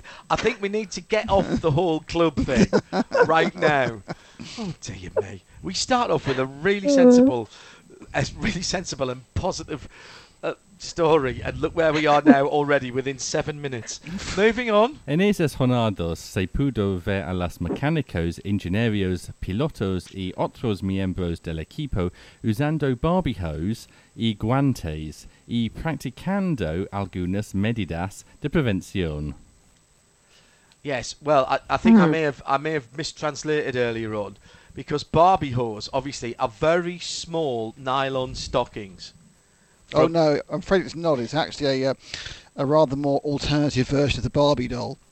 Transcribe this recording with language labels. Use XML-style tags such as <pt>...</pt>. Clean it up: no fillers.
<en>I think we need to get off the whole club thing right now. Oh, dear me. We start off with a really sensible and positive story. And look where we are now already, within 7 minutes. Moving on.</en> <es>En esas jornadas se pudo ver a las mecánicos, ingenieros, pilotos y otros miembros del equipo usando barbijos y guantes y practicando algunas medidas de prevención.</es> <en>Yes, well, I think I may have mistranslated earlier on, because Barbie hose, obviously, are very small nylon stockings. Oh, no, I'm afraid it's not. It's actually a rather more alternative version of the Barbie doll.</en>